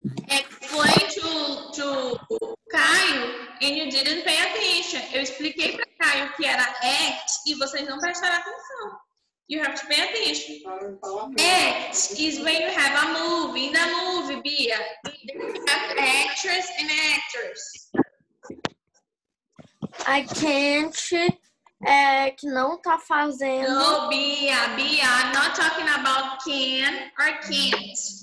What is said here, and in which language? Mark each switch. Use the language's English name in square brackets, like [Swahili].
[English] Explain to Caio and you didn't pay attention. [Portuguese] Eu expliquei para Caio que era act e vocês não prestaram atenção. [English] You have to pay attention. Act is when you have a movie. In the movie, Bia, you have actress and actors. I can't. [Portuguese] É que não tá fazendo. [English] No, Bia, Bia, I'm not talking about can or can't.